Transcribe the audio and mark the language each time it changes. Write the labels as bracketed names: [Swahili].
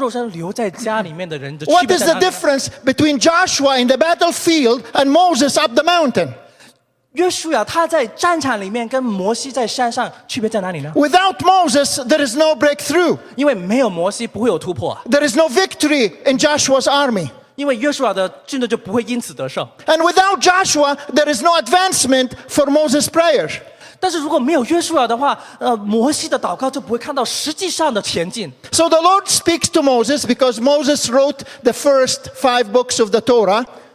[Chinese] 所以我在想说，区别在哪里呢？那些肉身去到那里面，还有肉身留在家里面的人的区别在哪里？What [English] is the difference between Joshua in the battlefield and Moses up the mountain? [Chinese] 约书亚他在战场里面跟摩西在山上区别在哪里呢？ [English] Without Moses, there is no breakthrough. [Chinese] 因为没有摩西不会有突破。 [English] There is no victory in Joshua's army. [Chinese] 因为约书亚的军队就不会因此得胜。 [English] And without Joshua, there is no advancement for Moses' prayer. [Chinese] 但是如果没有约书亚的话，摩西的祷告就不会看到实际上的前进。 [English] So the Lord speaks to Moses because Moses wrote the first five books of the Torah.